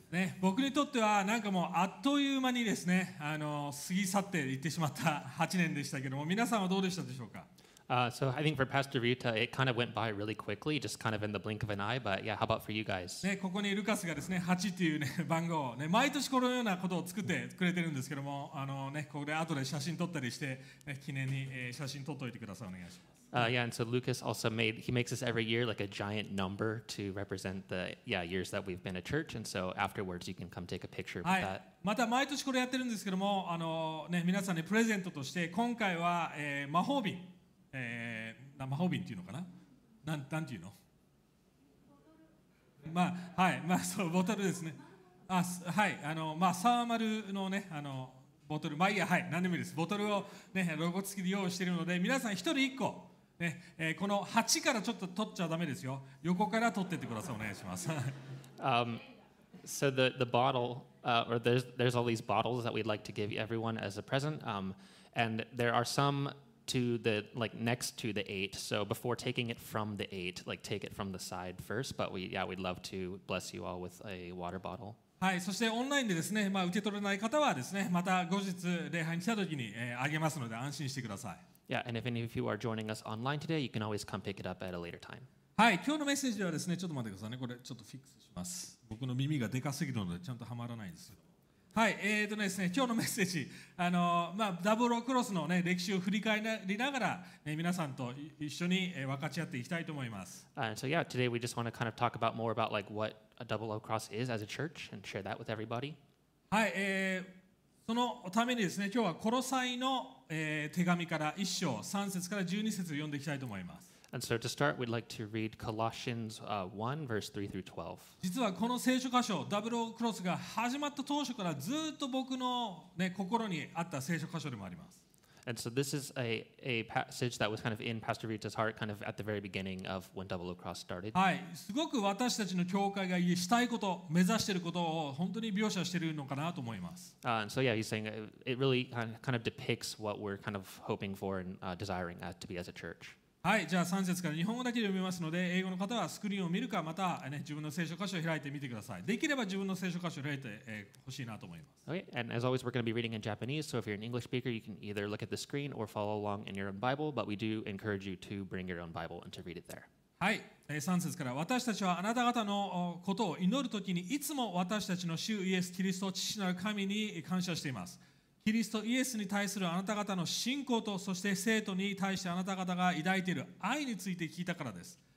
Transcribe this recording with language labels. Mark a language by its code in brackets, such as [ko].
[ja] ね、僕にとってはなんかもうあっという間にですね、あの、過ぎ去っていってしまった8年でしたけども、皆さんはどうでしたでしょうか？ [en] So I think for Pastor Ryuta, it kind of went by really quickly, just kind of in the blink of an eye. But yeah, how about for you guys? [ja] ね、ここにルカスがですね、8というね番号ね、毎年このようなことを作ってくれてるんですけども、あのね、ここで後で写真撮ったりして、ね、記念に、写真撮っといてください、お願いします。 [en] Yeah, and so Lucas also made, he makes this every year like a giant number to represent the yeah, years that we've been a church. And so afterwards, you can come take a picture with that. [ja] また毎年これやってるんですけども、あの、ね、皆さんにプレゼントとして、今回は、魔法瓶、魔法瓶っていうのかな？なんていうの？まあ、はい、まあそう、ボトルですね。あ、はい、あの、まあ、サーマルのね、あの、ボトル、まあいいや、はい、何でもいいです。ボトルをね、ロゴ付きで用意しているので、皆さん一人一個。ね、この8からちょっと取っちゃダメですよ。横から取ってってください。お願いします。 [en] So the bottle, or there's all these bottles that we'd like to give everyone as a present. And there are some to the like next to the eight. So before taking it from the eight, like take it from the side first. But we, yeah, we'd love to bless you all with a water bottle. [ja] はい、そしてオンラインでですね、まあ、受け取れない方はですね、また後日礼拝に来た時に、あげますので安心してください。 [en] Yeah, and if any of you are joining us online today, you can always come pick it up at a later time. [ja] はい、今日のメッセージはですね、ちょっと待ってくださいね、これちょっとフィックスします。僕の耳がでかすぎるのでちゃんとはまらないんですけど。はい、ですね、今日のメッセージ、あの、まあ、ダブルクロスの、ね、歴史を振り返りながら、ね、皆さんと一緒に、分かち合っていきたいと思います。 [en] So yeah, today we just want to kind of talk about more about like what a double O cross is as a church and share that with everybody. [ja] はい、そのためにですね、今日はコロサイの、手紙から一章三節から十二節を読んでいきたいと思います。 [en] And so to start, we'd like to read Colossians 1, verse 3 through 12. [ja] 実はこの聖書箇所、ダブルクロスが始まった当初からずっと僕の、ね、心にあった聖書箇所でもあります。 [en] And so this is a passage that was kind of in Pastor Rita's heart kind of at the very beginning of when Double O Cross started. [ja] はい、すごく私たちの教会がしたいこと、目指していることを本当に描写しているのかなと思います。 [en] And so yeah, he's saying it really kind of depicts what we're kind of hoping for and desiring to be as a church. [ja] はい、じゃあ3節から日本語だけで読みますので、英語の方はスクリーンを見るか、また、ね、自分の聖書箇所を開いてみてください。できれば自分の聖書箇所を開いてほしいなと思います。 [en] Okay, and as always, we're going to be reading in Japanese, so if you're an English speaker, you can either look at the screen or follow along in your own Bible, but we do encourage you to bring your own Bible and to read it there. [ja] はい、3節から、私たちはあなた方のことを祈るときに、いつも私たちの主イエス・キリスト、父なる神に感謝しています。キリストイエスに対するあなた方の信仰とそして聖徒に対してあなた方が抱いている愛について聞いたからです。